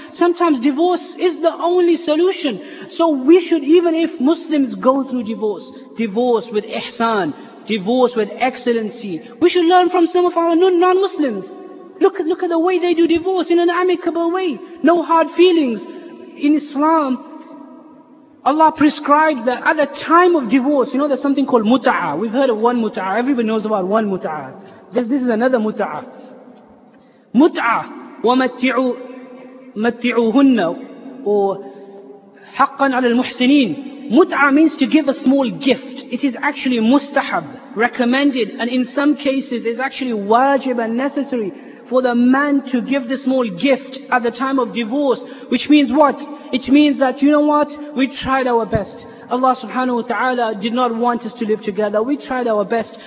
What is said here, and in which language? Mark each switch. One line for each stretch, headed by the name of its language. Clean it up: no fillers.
English: Sometimes divorce is the only solution. So we should, even if Muslims go through divorce, divorce with ihsan, divorce with excellency, we should learn from some of our non-Muslims. Look at the way they do divorce, in an amicable way. No hard feelings. In Islam, Allah prescribes that at the time of divorce, you know, there's something called muta'a. We've heard of one muta'a. Everybody knows about one muta'a. This is another muta'a.
Arabic: Muta'a وَمَتِّعُوهُنَّ or حَقًّا عَلَى الْمُحْسِنِينَ.
English: Muta'a means to give a small gift. It is actually mustahab, recommended, and in some cases is actually wajib and necessary for the man to give this small gift at the time of divorce. Which means what? It means that, you know what? We tried our best. Allah subhanahu wa ta'ala did not want us to live together. We tried our best.